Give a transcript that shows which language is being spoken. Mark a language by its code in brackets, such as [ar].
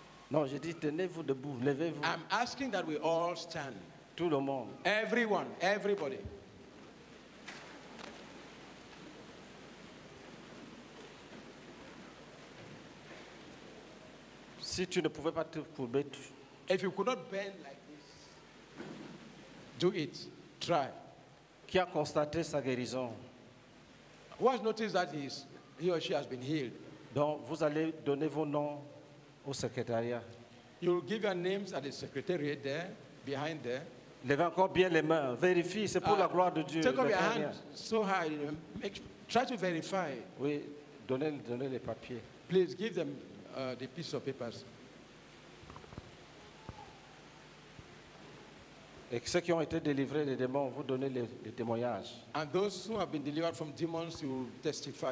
[fr] Non, je dis tenez-vous debout, levez-vous. [en] I'm asking that we all stand. [fr] Tout le monde. [en] Everyone, everybody. [fr] Si tu ne pouvais pas te courber, tu. [en] If you could not bend like this, do it. Try. [fr] Qui a constaté sa guérison? [en] Who has noticed that he or she has been healed? [fr] Donc, vous allez donner vos noms au secrétariat. [en] You will give your names at the secretariat there, behind there. [fr] Lève encore bien les mains. Vérifie, c'est pour la gloire de Dieu. [en] Take up your hands so high. You know, try to verify. [fr] Oui, donnez les papiers. [en] Please give them the piece of papers. [fr] Et ceux qui ont été délivrés des démons, vous donnez les témoignages. [en] And those who have been delivered from demons, you testify.